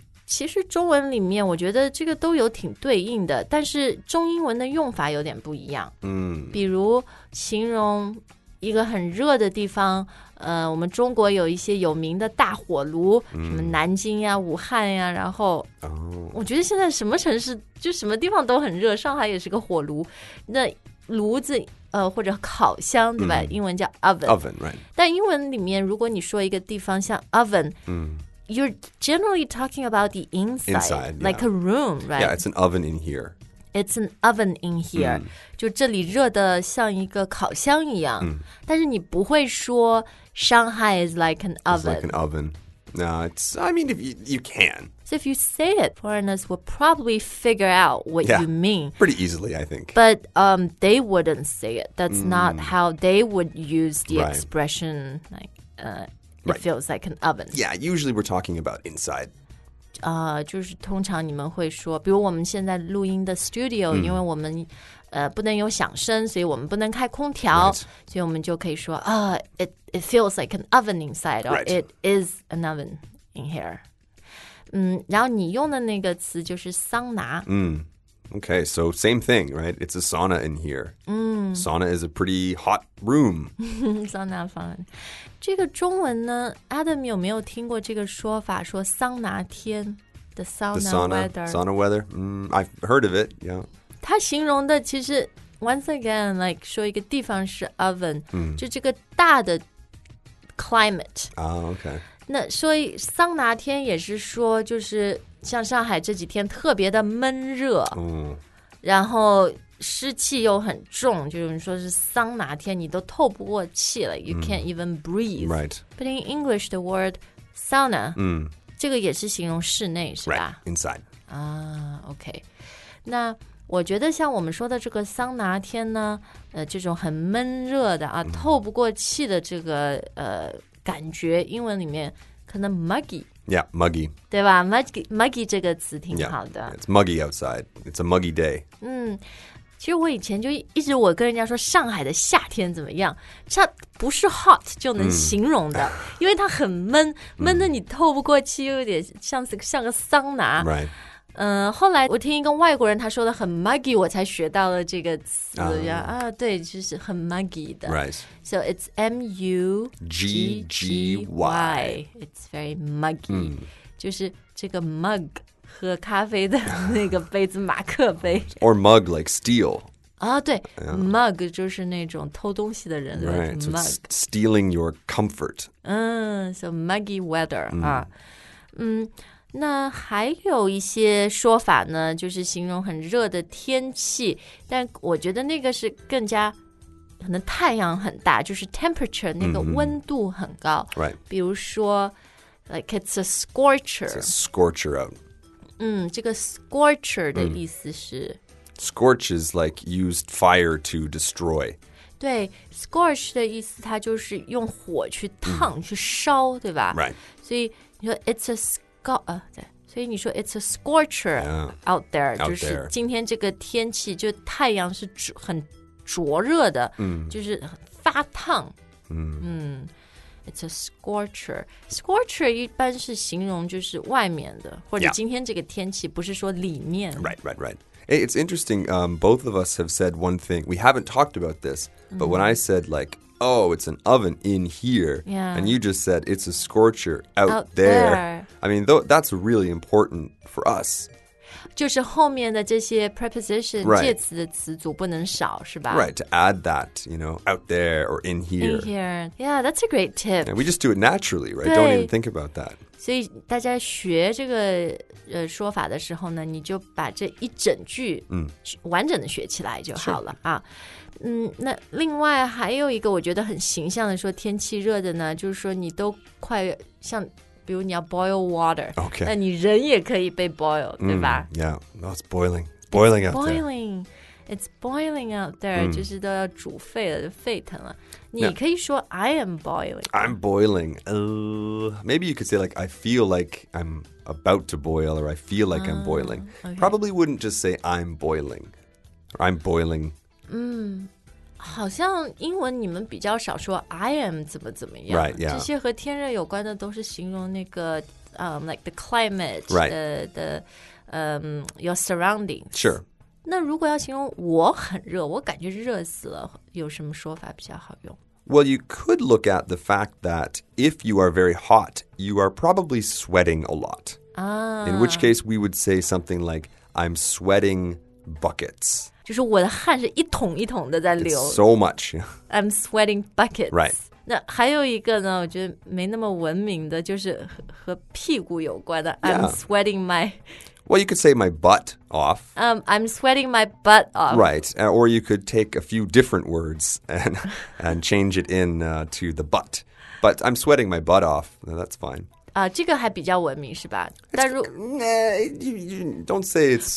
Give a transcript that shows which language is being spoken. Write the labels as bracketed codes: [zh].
[zh] 其实中文里面我觉得这个都有挺对应的但是中英文的用法有点不一样比如形容一个很热的地方我们中国有一些有名的大火炉什么南京呀武汉呀然后我觉得现在什么城市就什么地方都很热上海也是个火炉那炉子或者烤箱对吧英文叫 oven, [en] oven、right. [zh] 但英文里面如果你说一个地方像 oven [en] You're generally talking about the inside yeah. like a room, right? Yeah, it's an oven in here. It's an oven in here. [zh] 就这里热得像一个烤箱一样。但是你不会说 [en] Shanghai is like an oven. It's like an oven. No, it's, I mean, if you can. So if you say it, foreigners will probably figure out what yeah, you mean. Pretty easily, I think. But they wouldn't say it. That's not how they would use the right. expression, like, It right. feels like an oven. Yeah, usually we're talking about inside. [zh] 就是通常你们会说，比如我们现在录音的 studio，因为我们不能有响声，所以我们不能开空调， [en] right. [zh] 所以我们就可以说 [en] it feels like an oven inside, or right. it is an oven in here. [zh] 然后你用的那个词就是桑拿。 [en] Okay, so same thing, right? It's a sauna in here. Sauna is a pretty hot room. [zh] sauna 房。这个中文呢 ,Adam 有没有听过这个说法说桑拿天 , [en] the sauna, weather? Sauna weather? I've heard of it, yeah. [zh] 它形容的其实 , [en] once again, [zh] like 说一个地方是 oven,就这个大的 climate. [en] Oh, okay. [zh] 那所以桑拿天也是说就是像上海这几天特别的闷热然后湿气又很重就是说是桑拿天你都透不过气了 [en] You can't even breathe Right But in English the word sauna [zh] 这个也是形容室内是吧 [en] Right, inside [zh] 啊 OK 那我觉得像我们说的这个桑拿天呢这种很闷热的啊透不过气的这个感觉英文里面可能 muggy [en] Yeah, muggy. [zh] 对吧 ?muggy 这个词挺好的。 [en] Yeah, it's muggy outside. It's a muggy day. [zh] 其实我以前就一直我跟人家说上海的夏天怎么样它不是 hot 就能形容的。因为它很闷闷的你透不过气又有点 像个桑拿。 [en] Right. [zh] 后来我听一个外国人他说的很 muggy 我才学到了这个词对就是很 muggy 的 [en] Right So it's M-U-G-G-Y It's very muggy [zh] 就是这个 mug 喝咖啡的那个杯子马克杯 [en] Or mug like steal [zh] 对 mug 就是那种偷东西的人 [en] Right mug. So it's stealing your comfort So muggy weather [zh] 那还有一些说法呢就是形容很热的天气但我觉得那个是更加可能太阳很大就是 temperature 那个温度很高、 [en] right. [zh] 比如说 [en] like it's a scorcher it's a scorcher out [zh] 这个 scorcher 的意思是、 [en] scorch is like used fire to destroy [zh] 对 scorch 的意思它就是用火去烫、去烧对吧、 [en] right. [zh] 所以你说 [en] it's a scorcher所以你说 it's a scorcher yeah, out there out [zh] 就是今天这个天气就太阳是很灼热的、就是发烫、 [en] it's a scorcher scorcher [zh] 一般是形容就是外面的或者今天这个天气不是说里面、 [en] right. Hey, it's interesting both of us have said one thing we haven't talked about this but when I said like oh, it's an oven in here. Yeah. And you just said it's a scorcher out there. I mean, that's really important for us. [zh] 就是后面的这些 preposition、 [en] right. [zh] 介词的词组不能少是吧 [en] Right, to add that, you know, out there or in here. In here. Yeah, that's a great tip. Yeah, we just do it naturally, right? Don't even think about that. [zh] 所以大家学这个、说法的时候呢你就把这一整句、完整的学起来就好了、sure. 啊嗯、那另外还有一个我觉得很形象的说天气热的呢就是说你都快像比如你要 boil water、 [en] okay. [zh] 那你人也可以被 boil 对吧、 [en] yeah, no, it's boiling boiling out there boiling. It's boiling out there、 [zh] 就是都要煮沸了就沸腾了你可以说 [en] I am boiling. I'm boiling.、maybe you could say like, I feel like I'm about to boil or I feel like I'm boiling.、 Okay. Probably wouldn't just say I'm boiling. I'm boiling.、 [zh] 好像英文你们比较少说 I am 怎么怎么样。 [en] Right, yeah. [zh] 这些和天热有关的都是形容那个、like the climate, [en] right. The,、your surroundings. Sure. [zh] 那如果要形容我很热,我感觉热死了,有什么说法比较好用? [en] Well, you could look at the fact that if you are very hot, you are probably sweating a lot. In which case, we would say something like, I'm sweating buckets. [zh] 就是我的汗是一桶一桶的在流。 [en] It's so much. I'm sweating buckets. Right. [zh] 那还有一个呢我觉得没那么文明的就是 和屁股有关的、 [en] yeah. I'm sweating my Well, you could say my butt off、 I'm sweating my butt off Right, or you could take a few different words and change it in、to the butt But I'm sweating my butt off, no, that's fine、 [zh] 这个还比较文明是吧 [en] 但如、Don't say it's